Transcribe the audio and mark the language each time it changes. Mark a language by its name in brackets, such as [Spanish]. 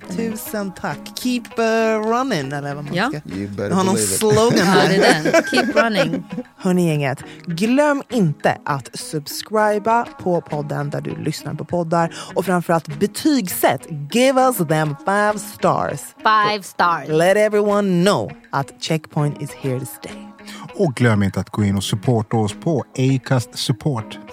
[Swedish] Tusen tack. [English] Keep running [Swedish] eller vad man ja ska. [English] You better [Swedish] har någon slogan här. Ja, [English] keep running. [Swedish] Hörrni gänget, glöm inte att subscriba på podden där du lyssnar på poddar och framförallt betygsätt. [English] Give us them 5 stars. 5 stars. Let everyone know [Swedish] att [English] Checkpoint is here to stay. [Swedish] Och glöm inte att gå in och supporta oss på Acast Support.